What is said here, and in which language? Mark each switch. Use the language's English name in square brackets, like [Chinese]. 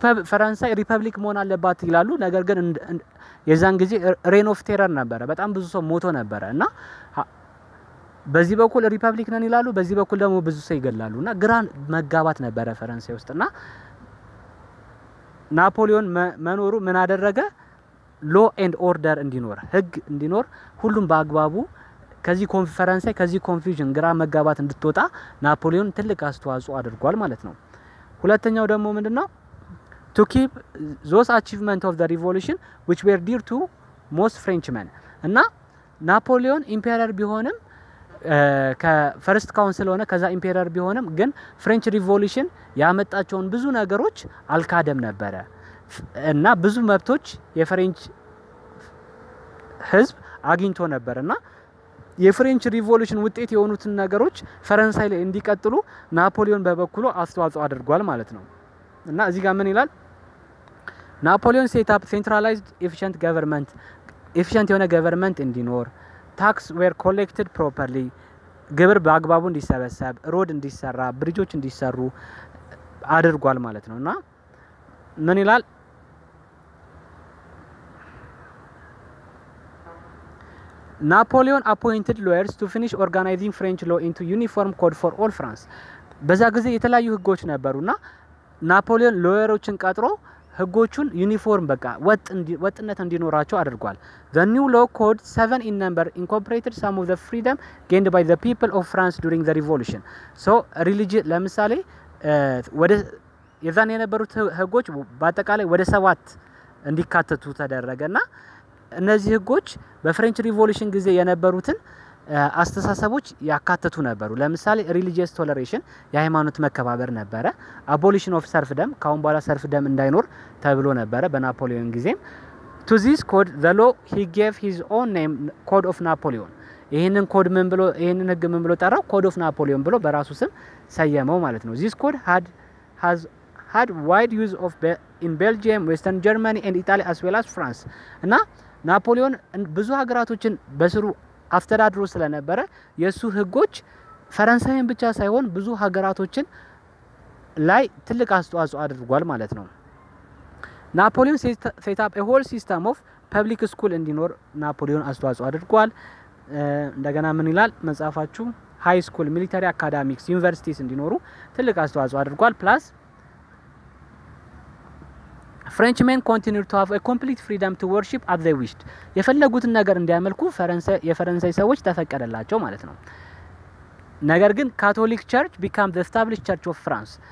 [Amharic] ፈረንሳይ ሪፐብሊክ መሆን አለባት ይላሉ ነገር ግን የዛን ጊዜ ሬን ኦፍ ቴረር ነበር በጣም ብዙ ሰው ሞቶ ነበር እና በዚህ በኩል ሪፐብሊክ ነን ይላሉ በዚህ በኩል ደግሞ ብዙ ሰው ይገላሉና ግራን መጋባት ነበር ፈረንሳይ ውስጥና ናፖሊዮን መኖሩ ምን አደረገ [English] ሎ ኤንድ ኦርደር [Amharic] እንዲኖር ህግ እንዲኖር ሁሉም በአግባቡ ከዚህ ኮንፈረንስ ላይ ከዚህ ኮንፊዥን ግራ መጋባት እንድትወጣ ናፖሊዮን ትልቅ አስተዋጽኦ አድርጓል ማለት ነው። ሁለተኛው ደግሞ ምንድነው? [English] To keep those achievements of the revolution which were dear to most Frenchmen. [Amharic] እና ናፖሊዮን ኢምፔረር ቢሆንም ከፈርስት ካውንስል ሆነ ከዛ ኢምፔረር ቢሆንም ግን ፍሬንች ሪቮሉሽን ያመጣቸውን ብዙ ነገሮች አልካደም ነበር እና ብዙ መብቶች የፍሬንች ህዝብ አግኝቶ ነበርና የፍሬንች ሪቮሉሽን ውጤት የሆኑት ነገሮች ፈረንሳይ ላይ እንዲቀጥሉ ናፖሊዮን በበኩሉ አስተዋጽኦ አድርጓል ማለት ነው። እና እዚህ ጋር ምን ይላል? [English] ናፖሊዮን ሴት አፕ ሴንትራላይዝድ ኤፊሺየንት ጋቨርንመንት [Amharic] ኤፊሺየንት የሆነ ጋቨርንመንት እንዲኖር [English] ታክስ ዌር ኮሌክትድ ፕሮፐርሊ [Amharic] ግብር በአግባቡ እንዲሰበሰብ ሮድ እንዲሰራ ብሪጆች እንዲሰሩ አድርጓል ማለት ነውና ምን ይላል? [English] Napoleon appointed lawyers to finish organizing French law into uniform code for all France. [Amharic] በዛ ጊዜ የተለያዩ ህጎች ነበሩና ናፖሊዮን ሎየሮችን ቀጥሮ ህጎቹን ዩኒፎርም በቃ ወጥነት እንዲኖራቸው አድርጓል። [English] The new law code 7 in number incorporated some of the freedom gained by the people of France during the revolution. [Amharic] So religion ለምሳሌ ወደ የዛን የነበሩት ህጎች በአጠቃላይ ወደ 7 እንዲካተቱ ተደረገና እነዚህ ህጎች በፍሬንች ሪቮሉሽን ጊዜ የነበሩትን አስተሳሰቦች ያካተቱ ነበሩ። ለምሳሌ ሪሊጂየስ ቶለሬሽን የሃይማኖት መከባበር ነበረ። [English] አቦሊሽን ኦፍ ሰርፍ ደም [Amharic] ካውን ባላ ሰርፍ ደም እንዳይኖር ተብሎ ነበረ በናፖሊዮን ጊዜም። [English] ቱ ዚስ ኮድ ዘ ሎ ሂ ጌቭ ሂዝ ኦን ኔም ኮድ ኦፍ ናፖሊዮን። [Amharic] ይሄንን ኮድ ምን ብሎ ይሄንን ህግ ምን ብሎ ጠራው? ኮድ ኦፍ ናፖሊዮን ብሎ በራሱ ስም ሰየመው ማለት ነው። [English] ዚስ ኮድ ሃድ ሃድ ዋይድ ዩዝ ኦፍ ኢን ቤልጂየም ዌስተርን ጀርመኒ ኤንድ ኢታሊ አስ ዌል አስ ፍራንስ። [Amharic] እና ናፖሊዮን ብዙ ሀገራቶችን በስሩ አስተዳድሮ ስለነበረ የሱ ህጎች ፈረንሳይን ብቻ ሳይሆን ብዙ ሀገራቶችን ላይ ትልቅ አስተዋጽኦ አድርጓል ማለት ነው። [English] ናፖሊዮን ሴት አፕ ኤ ሆል ሲስተም ኦፍ ፐብሊክ ስኩል [Amharic] እንዲኖር ናፖሊዮን አስተዋጽኦ አድርጓል። እንደገና ምን ይላል መጻፋቹ? ሃይ ስኩል ሚሊተሪ አካዳሚክስ ዩኒቨርሲቲስ እንዲኖሩ ትልቅ አስተዋጽኦ አድርጓል። ፕላስ [English] Frenchmen continued to have a complete freedom to worship as they wished. [Amharic] የፈለጉት ነገር እንዲያመልኩ የፈረንሳይ ሰዎች ተፈቀደላቸው ማለት ነው። ነገር ግን [English] Catholic Church became the established church of France.